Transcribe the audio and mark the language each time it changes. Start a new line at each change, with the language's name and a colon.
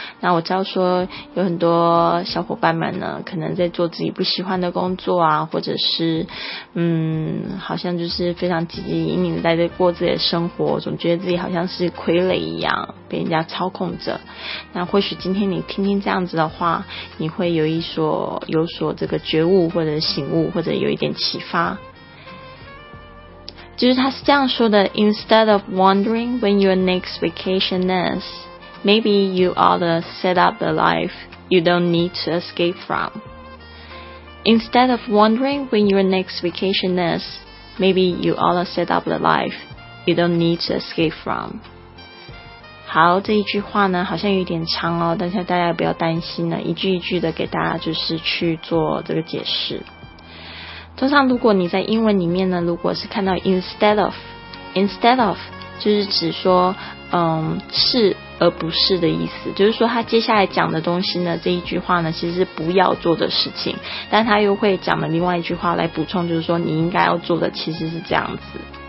Chinese: 那我知道说有很多小伙伴们呢，可能在做自己不喜欢的工作啊，或者是好像就是非常积极盈盈在过自己的生活，总觉得自己好像是傀儡一样被人家操控着。那或许今天你听听这样子的话，你会有所这个觉悟或者醒悟，或者有一点启发。就是他是这样说的，
English: Instead of wondering when your next vacation is, maybe you ought to set up the life you don't need to escape from. Instead of wondering when your next vacation is, maybe you ought to set up the life you don't need to escape from.
Chinese: 好，这一句话呢好像有点长哦，但是大家不要担心呢，一句一句的给大家就是去做这个解释。通常如果你在英文里面呢，如果是看到 instead of 就是指说是而不是的意思，就是说他接下来讲的东西呢，这一句话呢其实是不要做的事情，但他又会讲了另外一句话来补充，就是说你应该要做的其实是这样子。